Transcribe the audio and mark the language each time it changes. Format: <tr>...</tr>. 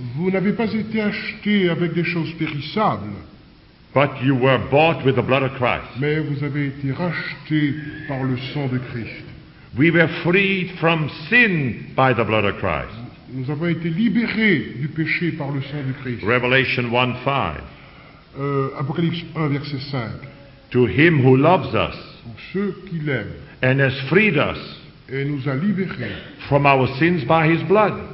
<fr>Vous n'avez pas été acheté avec des choses périssables.</fr> <en>But you were bought with the blood of Christ.</en> <fr>Mais vous avez été racheté par le sang de Christ.</fr> <en>We were freed from sin by the blood of Christ.</en> <fr>Nous avons été libérés du péché par le sang de Christ.</fr> <en>Revelation 1:5.</en> <fr>Apocalypse 1 verset 5.</fr> <en>To him who loves us.</en> <fr>Pour ceux qui l'aiment.</fr> <en>And has freed us.</en> <fr>Et nous a libérés</fr> <en>from our sins by his blood.</en>